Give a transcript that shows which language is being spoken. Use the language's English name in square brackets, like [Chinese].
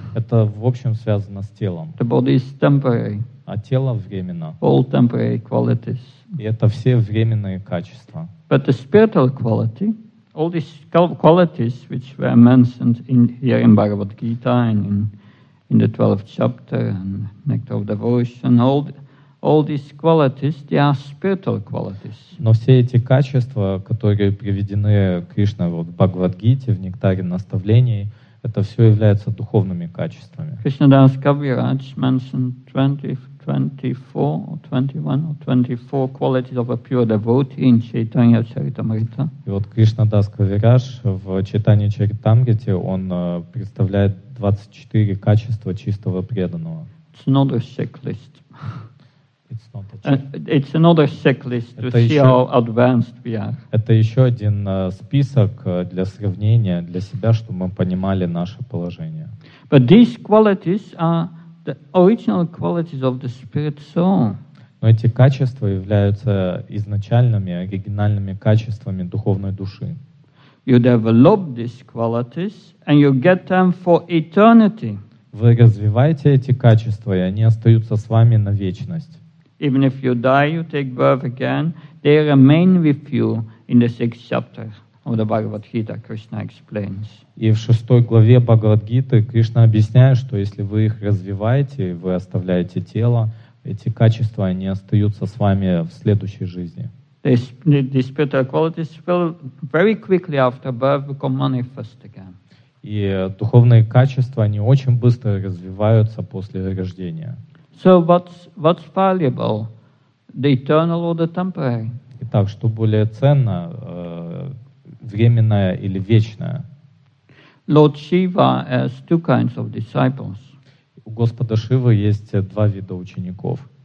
[Russian] Это в общем связано с телом. [English] The body is temporary. [Russian] А тело временно. [English] All temporary qualities. [Russian] И это все временные качества. [English] But the spiritual quality, all these qualities which were mentioned here in Bhagavad Gita and in the 12th chapter and Nectar of Devotion, all these qualities, they are spiritual qualities. [Russian] Но все эти качества, которые приведены Кришной в Бхагавад Гите, в Нектаре Наставлений, это все является духовными качествами. [English] Krishna Das Kaviraj mentioned 24 qualities of a pure devotee in Chaitanya Charitamrita. [Russian] И вот Кришна Дас Кавираж в Чайтанья Чаритамрите, он представляет 24 качества чистого преданного. [English] It's another checklist. It's another checklist to see how advanced we are. [Russian] Это еще один список для сравнения для себя, чтобы мы понимали наше положение. [English] But these qualities are the original qualities of the spirit soul. [Russian] Но эти качества являются изначальными, оригинальными качествами духовной души. [English] You develop these qualities and you get them for eternity. [Russian] Вы развиваете эти качества, и они остаются с вами на вечность. [English] Even if you die, you take birth again, they remain with you in the sixth chapter of the Bhagavad Gita, Krishna explains. [Russian] И в шестой главе Бхагавад-гиты Кришна объясняет, что если вы их развиваете, вы оставляете тело, эти качества, они остаются с вами в следующей жизни. [English] These spiritual qualities will very quickly after birth become manifest again. [Russian] И духовные качества, они очень быстро развиваются после рождения. [English] So what's valuable, the eternal or the temporary? [Russian] Итак, что более ценно, временное или вечное? [English] Lord Shiva has two kinds of disciples. [Russian] У Господа Шивы есть два вида учеников.